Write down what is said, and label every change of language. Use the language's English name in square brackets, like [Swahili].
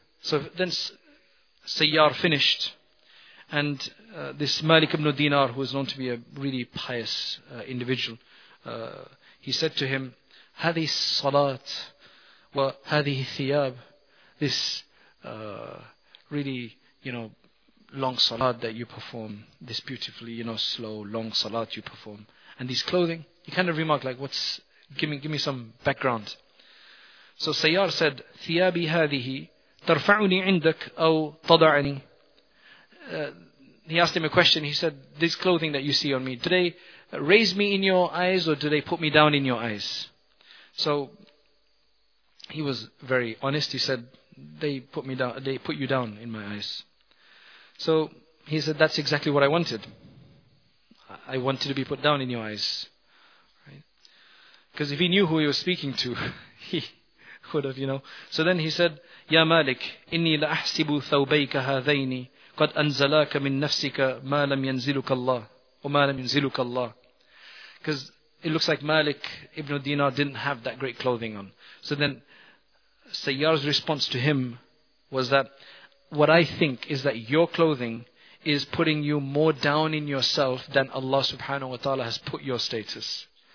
[English] So then Sayyar finished. And this Malik ibn Dinar, who is known to be a really pious individual, he said to him, [Arabic] هذه الصلاة وهذه الثياب, [English] this really, you know, long salat that you perform, this beautifully, you know, slow, long salat you perform, and these clothing, he kind of remarked, like, what's, give me some background. So Sayyar said, [Arabic] ثيابي هذه ترفعني عندك أو تضعني. [English] He asked him a question. He said, this clothing that you see on me, do they raise me in your eyes or do they put me down in your eyes? So he was very honest. He said, they put me down, they put you down in my eyes. So he said, that's exactly what I wanted. I wanted to be put down in your eyes. Right? Because if he knew who he was speaking to, he would have, you know. So then he said, [Arabic] Ya Malik, إِنِّي لَأَحْسِبُ ثَوْبَيْكَ هَذَيْنِ قَدْ أَنزَلَاكَ مِن نَفْسِكَ مَا لَمْ يَنزِلُكَ اللَّهِ وَمَا لَمْ يَنزِلُكَ اللَّهِ. [English] Because it looks like Malik ibn Dinar didn't have that great clothing on. So then Sayyar's response to him was that, what I think is that your clothing is putting you more down in yourself than Allah subhanahu wa ta'ala has put your status.